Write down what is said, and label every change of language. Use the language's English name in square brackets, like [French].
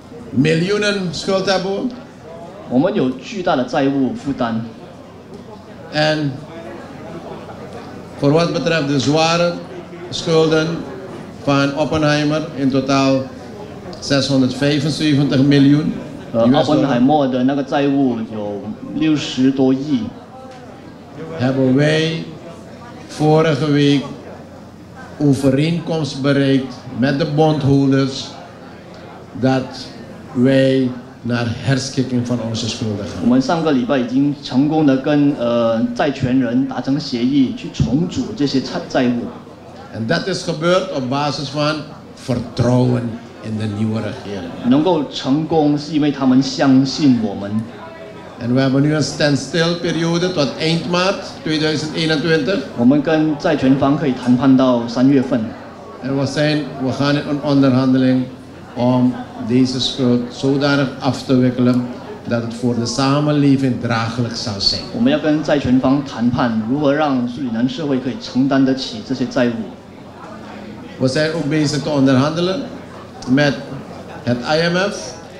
[Dutch] Miljoenen schuld hebben we. [Chinese] 我们有巨大的债务负担. [Dutch] En voor wat betreft de zware schulden van Oppenheimer, in totaal 675 miljoen. [Chinese] Oppenheimer的那个债务有60多亿. [Dutch] Hebben wij vorige week overeenkomst bereikt met de bondholders dat wij naar herschikking van onze schulden gaan. [Chinese] 我们上个礼拜已经成功的跟债权人达成协议去重组这些债务. [Dutch] En dat is gebeurd op basis van vertrouwen in de nieuwe regering. [Chinese] 能够成功是因为他们相信我们. [Dutch] En we hebben nu een standstill periode tot eind maart 2021. [Chinese] 我们跟债权方可以谈判到3月份. [Dutch] En we gaan in een onderhandeling om deze schuld zodanig af te wikkelen dat het voor de samenleving draaglijk zal zijn. We moeten met de zijkant praten hoe we de Surinamse samenleving deze schuld kunnen. We zijn ook bezig te onderhandelen met het IMF.